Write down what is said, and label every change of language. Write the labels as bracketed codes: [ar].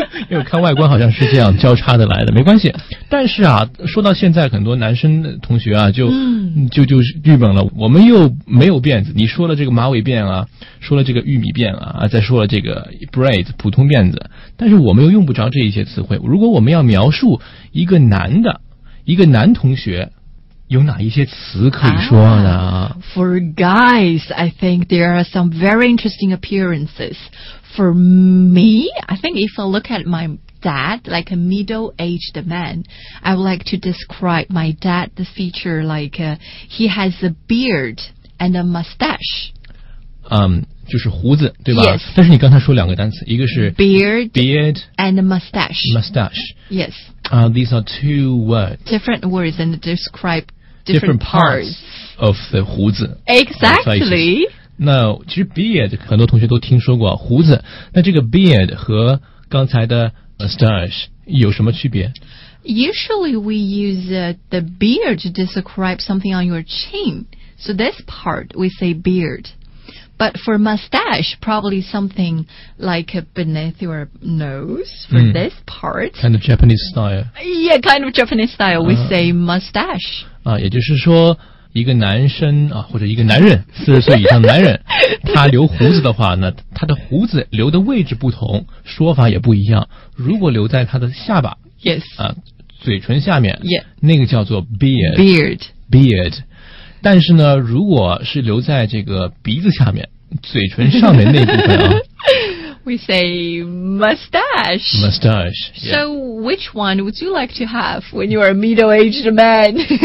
[zh] 因为看外观好像是这样交叉的来的，没关系。但是啊，说到现在，很多男生同学啊，就是郁闷了。我们又没有辫子，你说了这个马尾辫啊，说了这个玉米辫啊，再说了这个 braid 普通辫子，但是我们又用不着这一些词汇。如果我们要描述一个男的。一个男同学有哪一些词可以说呢 [en] ？For guys, I think there are some very interesting appearances. For me, I think if I look at my dad, like a middle-aged man, I would like to describe my dad the feature like he has a beard and a mustache. [zh] 就是胡子对吧、 yes. 但是你刚才说两个单词一个是 [en] beard and mustache yes these are two words different words and describe different parts of the 胡子 exactly [zh] 那其实 beard 很多同学都听说过胡子那这个 beard 和刚才的 mustache 有什么区别 [en] Usually we use the beard to describe something on your chin so this part we say beardBut for mustache, probably something like beneath your nose for this part. Kind of Japanese style. Yeah, kind of Japanese style. We say mustache. [zh] 也就是说一个男生啊，或者一个男人，四十岁以上的男人，他留胡子的话呢，他的胡子留的位置不同，说法也不一样。如果留在他的下巴，yes，嘴唇下面，yeah，那个叫做 beard。 [en] Beard。 [zh] 但是呢，如果是留在这个鼻子下面、嘴唇上面那部分啊 [en] ，We say mustache. Mustache.、Yeah. So, which one would you like to have when you are a middle-aged man?